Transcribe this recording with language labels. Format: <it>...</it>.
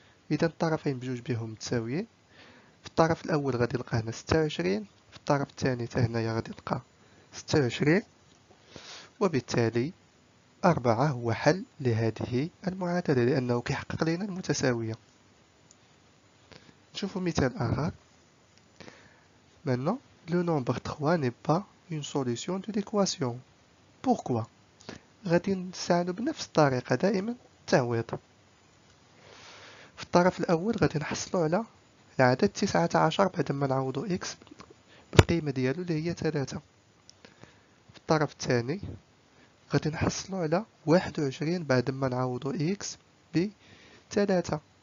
<ar>إذا الطرفين بجوج بهم متساويين، في الطرف الأول غادي نلقى هنا 26، في الطرف الثاني حتى هنايا غادي نلقى 26، وبالتالي 4 هو حل لهذه المعادلة لأنه كيحقق لنا المتساوية. نشوفوا مثال آخر.</ar> <fr>Maintenant, le nombre 3 n'est pas une solution de l'équation. Pourquoi?</fr> <ar>غادي نستعملو بنفس الطريقة دائما التعويض. في الطرف الأول غادي نحصلو على العدد 19 بعدما نعوضو x بالقيمة ديالو اللي هي 3. في الطرف الثاني غادي نحصلو على 21 بعدما نعوضو x ب3.</ar>